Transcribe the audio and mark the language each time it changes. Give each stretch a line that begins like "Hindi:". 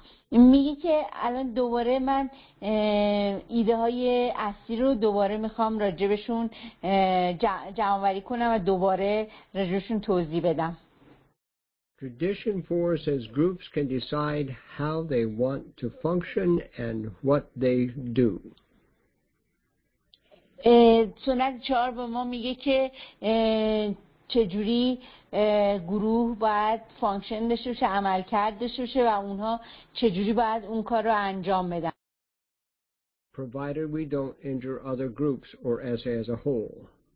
Persian: میگه که الان دوباره من ایده های اصلی رو دوباره میخوام راجبشون جمع‌آوری کنم و دوباره راجبشون توضیح بدم.
English: Tradition 4 says groups can decide how they want to function and what they do.
Persian: سنت چهار به ما میگه که چجوری گروه باید فانکشن داشته باشه، عمل کرد داشته باشه و اونها چجوری باید اون کار رو انجام بدن.
English: Provided we don't injure other groups or SA as a whole.